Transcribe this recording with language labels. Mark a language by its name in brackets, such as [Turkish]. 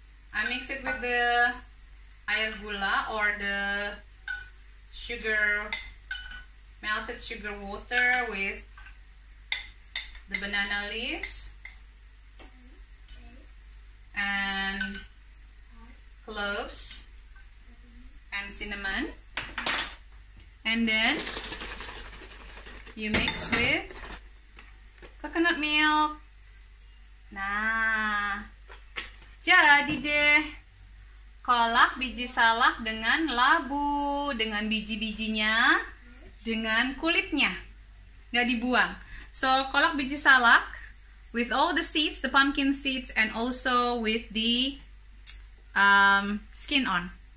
[English] I mix it with the ayam gula or the sugar, melted sugar water with the banana leaves and cloves and cinnamon, and then you mix with coconut milk. [Indonesian] Nah, jadi deh kolak biji salak dengan labu, dengan biji-bijinya, dengan kulitnya, nggak dibuang. [English] So kolak biji salak with all the seeds, the pumpkin seeds, and also with the skin on.